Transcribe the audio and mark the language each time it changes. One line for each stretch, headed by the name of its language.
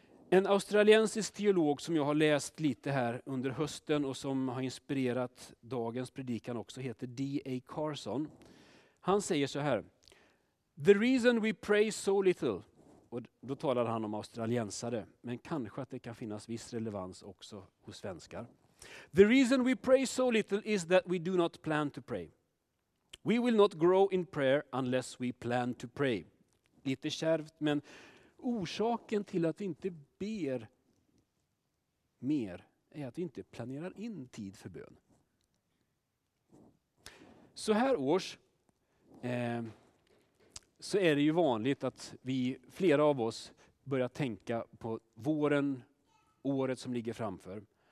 Swedish: En australiensisk teolog som jag har läst lite här under hösten och som har inspirerat dagens predikan också heter D.A. Carson. Han säger så här:
English: the reason we pray so little,
Swedish: och då talar han om australiensare, men kanske att det kan finnas viss relevans också hos svenskar.
English: The reason we pray so little is that we do not plan to pray. We will not grow in prayer unless we plan to pray.
Swedish: Lite kärvt, men orsaken till att vi inte ber mer är att vi inte planerar in tid för bön. Så här års så är det ju vanligt att vi, flera av oss, börjar tänka på våren, året som ligger framför.